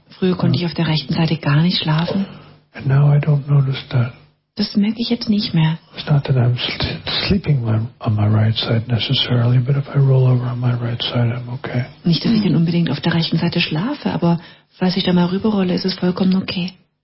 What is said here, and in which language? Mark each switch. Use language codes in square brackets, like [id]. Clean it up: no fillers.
[de] Früher konnte ich auf der rechten Seite gar nicht schlafen. [en] And now I don't notice that. [de] Das merke ich jetzt nicht mehr. [en] It's not that I'm sleeping on my right side necessarily, but if I roll over on my right side, I'm okay. [de] Nicht, dass ich dann unbedingt auf der rechten Seite schlafe, aber falls ich da mal rüberrolle, ist es vollkommen okay.